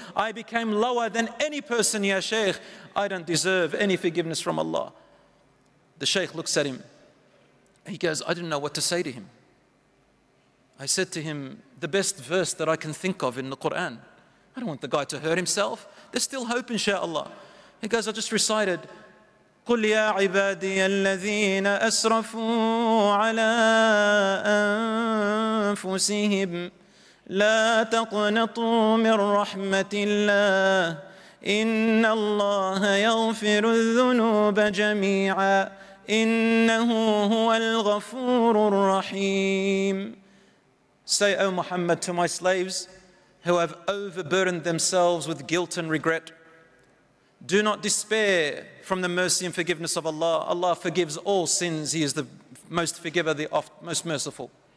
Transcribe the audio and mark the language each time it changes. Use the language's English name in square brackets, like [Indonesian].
[English] I became lower than any person, ya Sheikh. I don't deserve any forgiveness from Allah. The Sheikh looks at him. He goes, I didn't know what to say to him. I said to him, the best verse that I can think of in the Quran. I don't want the guy to hurt himself. There's still hope, inshallah. He goes, I just recited, [Arabic] قُلْ يَا عِبَادِيَ الَّذِينَ أَسْرَفُوا عَلَىٰ أَنفُسِهِمْ لَا تَقْنَطُوا مِنْ رَحْمَةِ اللَّهِ إِنَّ اللَّهَ يَغْفِرُ الذُّنُوبَ جَمِيعًا إِنَّهُ هُوَ الْغَفُورُ الرَّحِيمُ. [English] Say, O Muhammad, to my slaves who have overburdened themselves with guilt and regret, do not despair from the mercy and forgiveness of Allah. Allah forgives all sins. He is the most forgiver, the most merciful.